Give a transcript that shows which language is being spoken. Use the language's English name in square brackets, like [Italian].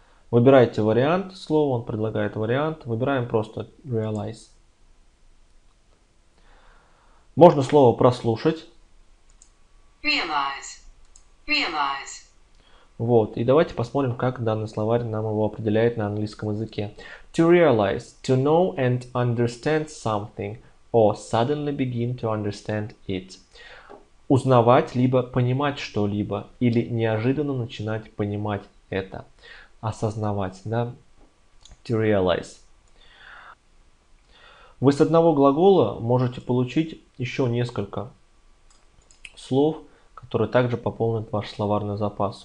[Russian] Выбираете вариант слова, он предлагает вариант. Выбираем просто realize. Можно слово прослушать. [English] Realize. Realize. [Russian] Вот, и давайте посмотрим, как данный словарь нам его определяет на английском языке. [English] To realize, to know and understand something, or suddenly begin to understand it. [Russian] Узнавать, либо понимать что-либо, или неожиданно начинать понимать это. Осознавать, да? To realize. Вы с одного глагола можете получить еще несколько слов, которые также пополнят ваш словарный запас.